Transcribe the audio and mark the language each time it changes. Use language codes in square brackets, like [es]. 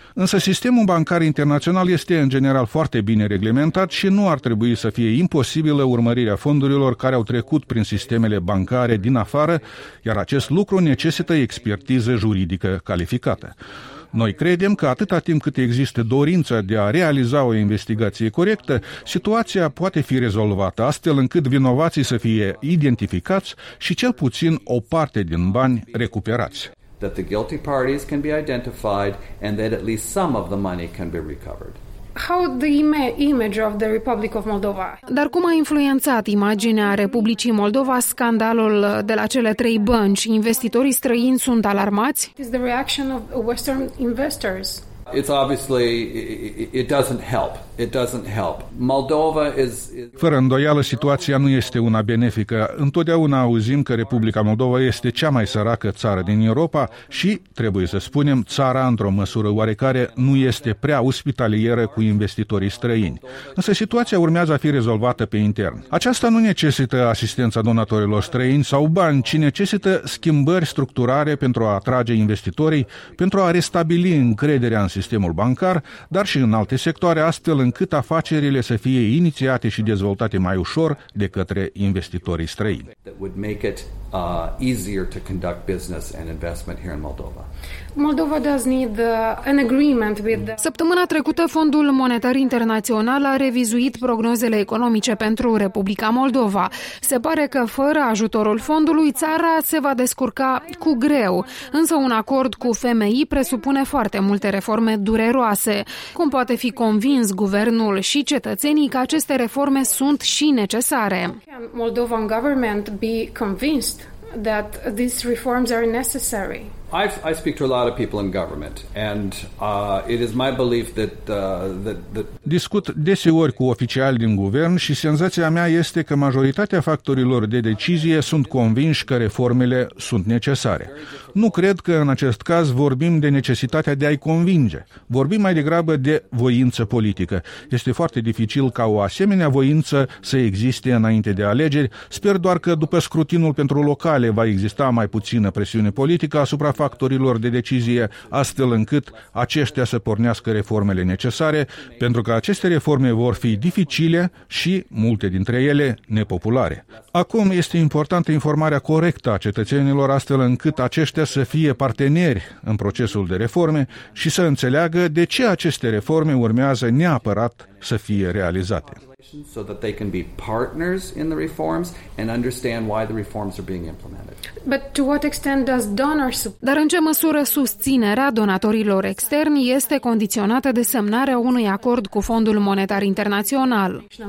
[ro] Însă sistemul bancar internațional este în general foarte bine reglementat și nu ar trebui să fie imposibilă urmărirea fondurilor care au trecut prin sistemele bancare din afară, iar acest lucru necesită expertiză juridică calificată. Noi credem că atâta timp cât există dorința de a realiza o investigație corectă, situația poate fi rezolvată astfel încât vinovații să fie identificați și cel puțin o parte din bani recuperați. [en] That the guilty parties can be identified and that at least some of the money can be recovered. How the image of the Republic of Moldova. [ro] Dar cum a influențat imaginea Republicii Moldova scandalul de la cele trei bănci? Investitorii străini sunt alarmați? [en] Is the reaction of Western investors? It's obviously it doesn't help. It doesn't help. Moldova is. [ro] Fără îndoială, situația nu este una benefică. Întotdeauna auzim că Republica Moldova este cea mai săracă țară din Europa și, trebuie să spunem, țara într-o măsură oarecare nu este prea ospitalieră cu investitorii străini. Însă situația urmează a fi rezolvată pe intern. Aceasta nu necesită asistența donatorilor străini sau bani, ci necesită schimbări structurare pentru a atrage investitorii, pentru a restabili încrederea în sistemul bancar, dar și în alte sectoare, astfel încât afacerile să fie inițiate și dezvoltate mai ușor de către investitorii străini. [en] That would make it easier to conduct business and investment here in Moldova. Moldova does need an agreement with the... [ro] Săptămâna trecută, Fondul Monetar Internațional a revizuit prognozele economice pentru Republica Moldova. Se pare că fără ajutorul fondului, țara se va descurca cu greu. Însă un acord cu FMI presupune foarte multe reforme dureroase. Cum poate fi convins guvernul și cetățenii că aceste reforme sunt și necesare? [en] Can Moldovan government be convinced that these reforms are necessary? I speak to a lot of people in government and it is my belief that [ro] discut deseori cu oficiali din guvern și senzația mea este că majoritatea factorilor de decizie sunt convinși că reformele sunt necesare. Nu cred că în acest caz vorbim de necesitatea de a-i convinge. Vorbim mai degrabă de voință politică. Este foarte dificil ca o asemenea voință să existe înainte de alegeri. Sper doar că după scrutinul pentru locale va exista mai puțină presiune politică asupra factorilor de decizie, astfel încât aceștia să pornească reformele necesare, pentru că aceste reforme vor fi dificile și, multe dintre ele, nepopulare. Acum este importantă informarea corectă a cetățenilor, astfel încât aceștia să fie parteneri în procesul de reforme și să înțeleagă de ce aceste reforme urmează neapărat să fie realizate. [en] So that they can be partners in the reforms and understand why the reforms are being implemented. But to what extent does donor support? [ro] Dar în ce măsură susținerea donatorilor externi este condiționată de semnarea unui acord cu Fondul Monetar Internațional?